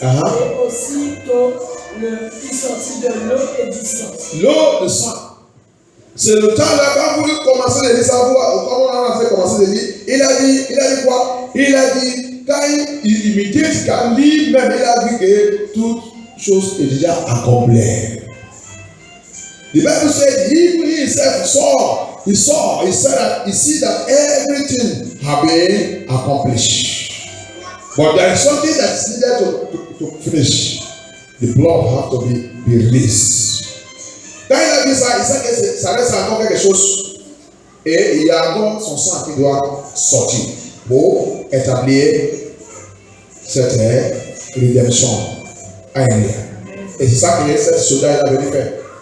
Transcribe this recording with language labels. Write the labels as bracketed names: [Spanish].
[French] Et aussitôt le fit sortir de l'eau et du sang. L'eau, le sang. C'est le temps là, quand vous commencez à lire sa voix, quand on a fait commencer à lire, il a dit quoi? Il a dit, quand il imitait ce qu'il a dit, même il a dit que toute chose est déjà accomplie. [English] Le Bible said, even himself saw, he said that he see that everything has been accomplished. But there is something that is needed to finish. The blood has to be released. [French] Quand il a dit ça, il sait que ça reste encore quelque chose. Et il y a encore son sang qui doit sortir pour établir cette rédemption à un lien. Et c'est ça que ce soldat est venu faire.